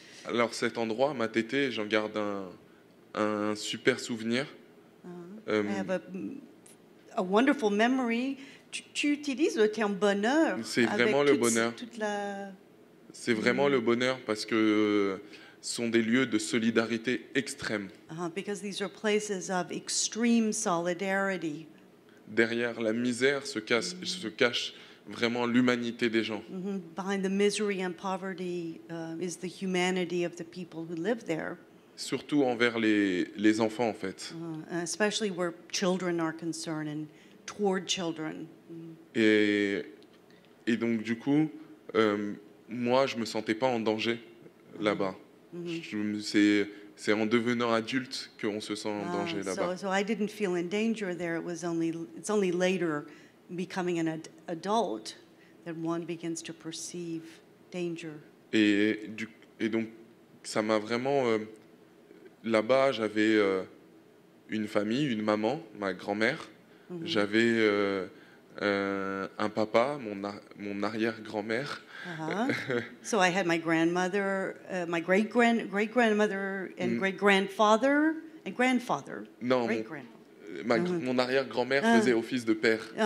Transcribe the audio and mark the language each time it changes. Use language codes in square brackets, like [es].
[fr] Alors cet endroit m'a tété, j'en garde un super souvenir. [en] Uh-huh. I have a wonderful memory. [fr] Tu utilises le terme bonheur. C'est vraiment le bonheur. C'est vraiment le bonheur parce que sont des lieux de solidarité extrême. [en] Uh-huh, because these are places of extreme solidarity. [fr] Derrière la misère se cache vraiment l'humanité des gens. Mm-hmm. [en] Behind the misery and poverty is the humanity of the people who live there. [fr] Surtout envers les enfants, en fait. [en] Especially where children are concerned and toward children. [fr] Et donc, du coup, moi, je ne me sentais pas en danger là-bas. Mm-hmm. C'est en devenant adulte qu'on se sent en danger là-bas. [en] So I didn't feel in danger there. It's only later, becoming an adult, that one begins to perceive danger. [fr] Et donc, ça m'a vraiment. Là-bas, j'avais une famille, une maman, ma grand-mère. Mm-hmm. J'avais un papa, mon arrière-grand-mère. Uh-huh. [en] So I had my grandmother, my great-grandmother and great-grandfather and grandfather. [fr] Non, mon arrière-grand-mère faisait office de père.